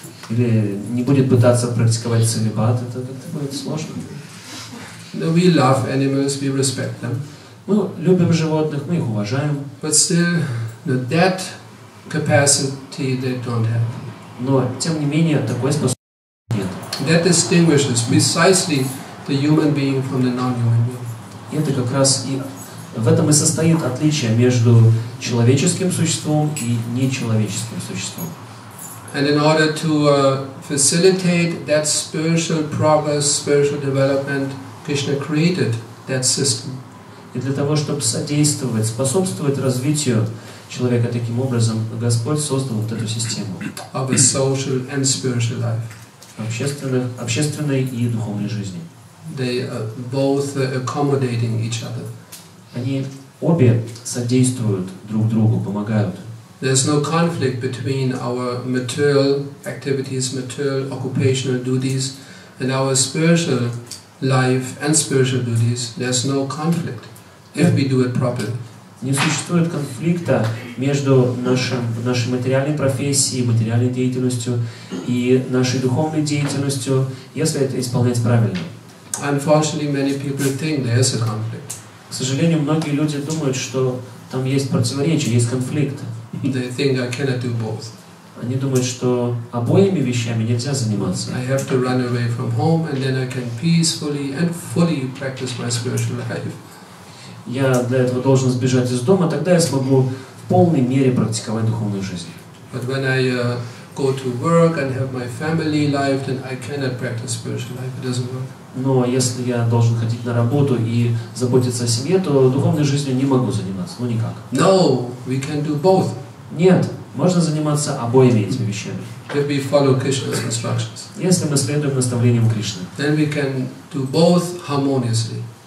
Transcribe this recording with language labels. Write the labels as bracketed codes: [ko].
[ru] Или не будет пытаться практиковать целибат, это будет сложно. [en] No, we love animals, we respect them. [ru] Мы любим животных, мы их уважаем. [en] But still, that capacity they don't have. [ru] Но тем не менее такой способности нет. [en] That distinguishes precisely the human being from the non-human being. [ru] Это как раз и в этом и состоит отличие между человеческим существом и нечеловеческим существом. [en] And in order to facilitate that spiritual progress, spiritual development, Krishna created that system. [ru] И для того, чтобы содействовать, способствовать развитию человека таким образом, Господь создал вот эту систему. [en] Of a social and spiritual life. [ru] Общественной и духовной жизни. [en] They both accommodating each other. [ru] Они обе содействуют друг другу, помогают. [en] There's no conflict between our material activities, material occupational duties, and our spiritual life and spiritual duties. There's no conflict if we do it properly. [ru] Не существует конфликта между нашей материальной профессией, материальной деятельностью и нашей духовной деятельностью, если это исполнять правильно. [en] Unfortunately, many people think there is a conflict. [ru] К сожалению, многие люди думают, что там есть противоречие, есть конфликт. [en] They think I cannot do both. [ru] Они думают, что обоими вещами нельзя заниматься. [en] I have to run away from home, and then I can peacefully and fully practice my spiritual life. [ru] Я для этого должен сбежать из дома, тогда я смогу в полной мере практиковать духовную жизнь. [en] But when I go to work and have my family life, then I cannot practice spiritual life. It doesn't work. [ru] Но если я должен ходить на работу и заботиться о семье, то духовной жизнью не могу заниматься, ну никак. [en] No, we can do both. [ru] Нет, можно заниматься обоими этими вещами. [en] If we follow Krishna's instructions. [ru] Если мы следуем наставлениям Кришны. [en] Then we can do both harmoniously.